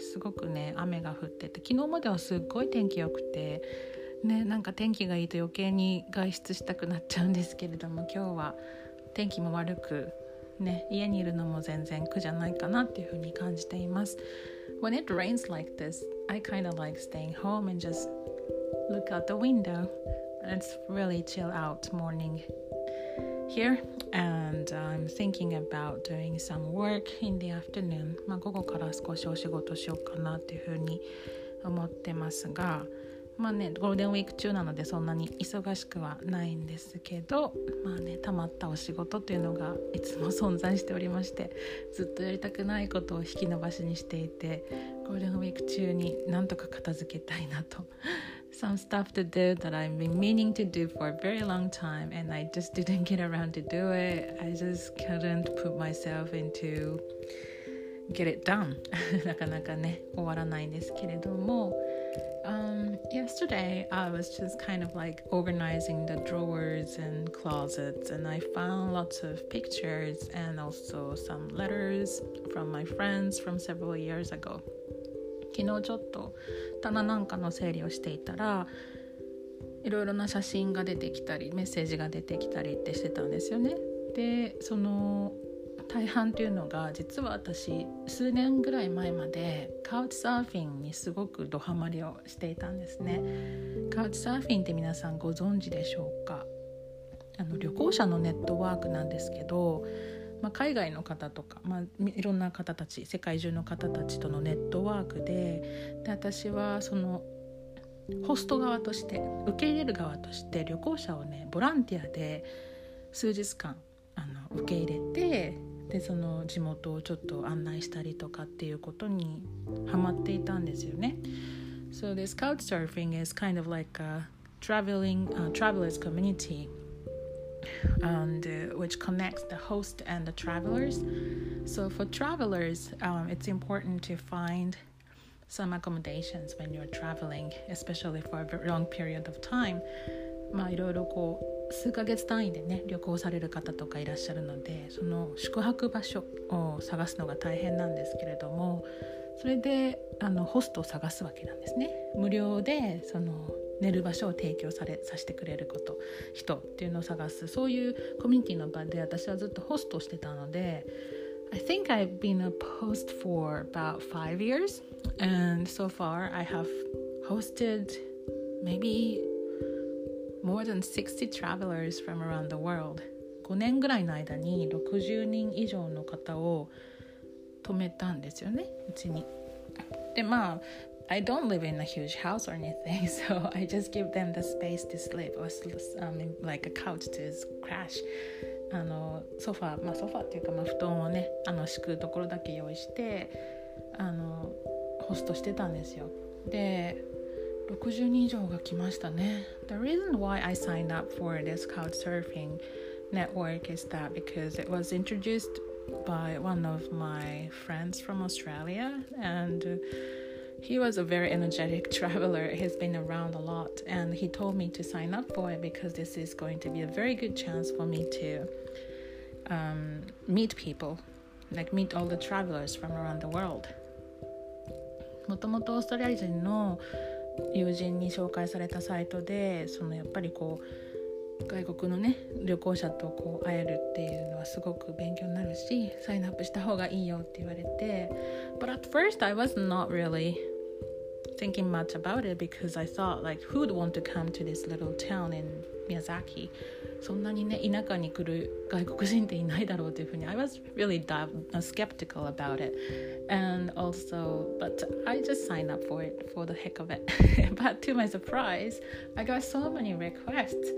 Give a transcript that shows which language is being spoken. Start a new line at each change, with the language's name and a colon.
Japanese: すごくね、雨が降ってて、昨日まではすっごい天気良くて、ね、なんか天気がいいと余計に外出したくなっちゃうんですけれども、今日は天気も悪く、ね、家にいるのも全然苦じゃないかなっていうふうに感じています。
English: When it rains like this, I kind of like staying home and just look out the window. It's really chill out morning. Here and I'm thinking about doing some work in the afternoon.
Japanese: まあ午後から少しお仕事しようかなっていうふうに思ってますが、まあねゴールデンウィーク中なのでそんなに忙しくはないんですけど、まあねたまったお仕事というのがいつも存在しておりまして、ずっとやりたくないことを引き延ばしにしていて、ゴールデンウィーク中になんとか片付けたいなと。
English: Some stuff to do that I've been meaning to do for a very long time and I just didn't get around to do it. I just couldn't put myself into get it done.
Japanese: なかなかね、終わらないんですけれども。
English: Yesterday, I was just kind of like organizing the drawers and closets and I found lots of pictures and also some letters from my friends from several years ago.
Japanese: 昨日ちょっと棚なんかの整理をしていたら、いろいろな写真が出てきたり、メッセージが出てきたりってしてたんですよね。で、その大半というのが、実は私数年ぐらい前までカウチサーフィンにすごくドハマりをしていたんですね。カウチサーフィンって皆さんご存知でしょうか？旅行者のネットワークなんですけど、まあ、海外の方とか、まあ、いろんな方たち、世界中の方たちとのネットワーク で私はそのホスト側として、受け入れる側として、旅行者をねボランティアで数日間受け入れて、でその地元をちょっと案内したりとかっていうことにハマっていたんですよね。
English: So this couchsurfing is kind of like a traveler's communityand which connects the host and the travelers. So for travelers, it's important to find some accommodations when you're traveling, especially for a long period of time.
Japanese: まあいろいろこう数ヶ月単位でね旅行される方とかいらっしゃるので、その宿泊場所を探すのが大変なんですけれども、それでホストを探すわけなんですね。無料でその寝る場所を提供させてくれること、人っていうのを探す、そういうコミュニティの場で私はずっとホストしてたので、
English: I think I've been a host for about 5 years, and so far I have hosted maybe more than 60 travelers from around the world.
Japanese: 5年ぐらいの間に60人以上の方を泊めたんですよね、うちに。
English: で、まあ、I don't live in a huge house or anything, so I just give them the space to sleep or like a couch to crash.
Japanese: ソファー、まあソファーっていうか、まあ布団をね、敷くところだけ用意して、ホストしてたんですよ。で、60人以上が来ましたね。
English: The reason why I signed up for this couch surfing network is that because it was introduced by one of my friends from Australia and He was a very energetic traveler. He's been around a lot. And he told me to sign up for it because this is going to be a very good chance for me to meet people. Like meet all the travelers from around the world.
Japanese: もともとオーストラリア人の友人に紹介されたサイトで、そのやっぱりこう外国のね旅行者とこう会えるっていうのはすごく勉強になるし、サインアップした方がいいよって言われて。
English: But at first I was not really thinking much about it because I thought like who would want to come to this little town in Miyazaki?
Japanese: そんなにね田舎に来る外国人っていないだろうというふうに
English: I was really skeptical about it. And also, but I just signed up for it for the heck of it. But to my surprise, I got so many requests.